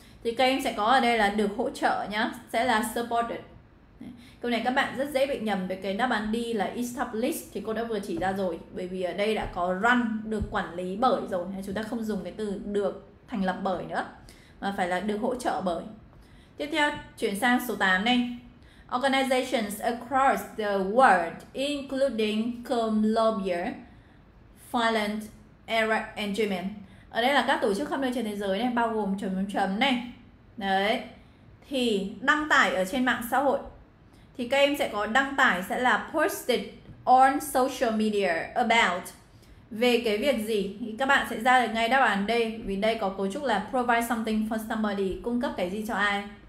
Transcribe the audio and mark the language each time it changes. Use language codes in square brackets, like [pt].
[vi] Thì các em sẽ có ở đây là được hỗ trợ nhá, sẽ là supported. Câu này các bạn rất dễ bị nhầm về cái đáp án D là established, thì cô đã vừa chỉ ra rồi. Bởi vì ở đây đã có run, được quản lý bởi rồi, chúng ta không dùng cái từ được thành lập bởi nữa, mà phải là được hỗ trợ bởi. Tiếp theo chuyển sang số 8 này. [en] Organizations across the world, including Colombia, Finland, Iraq and Germany. [vi] Ở đây là các tổ chức khắp nơi trên thế giới này, bao gồm chấm chấm này. Đấy. Thì đăng tải ở trên mạng xã hội, thì các em sẽ có đăng tải sẽ là [en] posted on social media about. [vi] Về cái việc gì thì các bạn sẽ ra được ngay đáp án đây, vì đây có cấu trúc là [en] provide something for somebody, [vi] cung cấp cái gì cho ai.